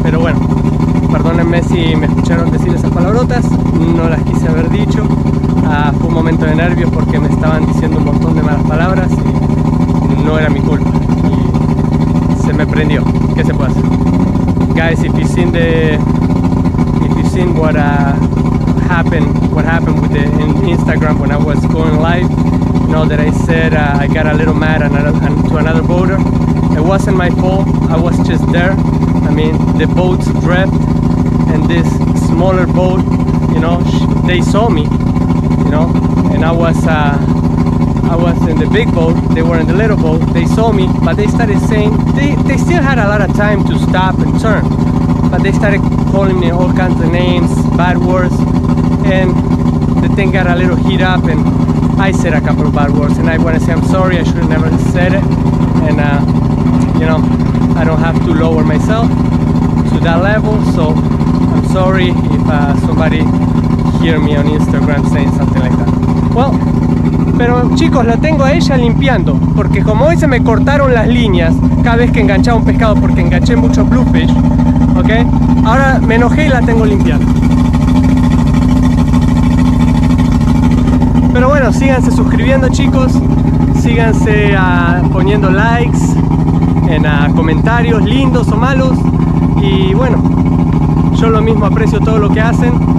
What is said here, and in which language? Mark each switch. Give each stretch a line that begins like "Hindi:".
Spanish: Pero bueno, perdónenme si me escucharon decir esas palabrotas, no las quise haber dicho, fue un momento de nervios porque me estaban diciendo un montón de malas palabras y no era mi culpa y se me prendió. ¿Qué se puede hacer?
English: Guys, if you seen what happened with the Instagram when I was going live, you know that I said I got a little mad to another boater. It wasn't my fault, I was just there. I mean, the boats drift and this smaller boat you know, they saw me, you know, and I was in the big boat, they were in the little boat, they saw me, but they started saying, they still had a lot of time to stop and turn, but they started calling me all kinds of names, bad words, and the thing got a little heat up, and I said a couple of bad words, and I want to say I'm sorry, I should have never said it, and, you know, I don't have to lower myself to that level, so I'm sorry if somebody hear me on Instagram saying something like that.
Spanish: Well, pero chicos, la tengo a ella limpiando, porque como hoy se me cortaron las líneas cada vez que enganchaba un pescado, porque enganché mucho bluefish, ok, ahora me enojé y la tengo limpiando. Pero bueno, síganse suscribiendo chicos, síganse poniendo likes en comentarios lindos o malos, y bueno, yo lo mismo, aprecio todo lo que hacen.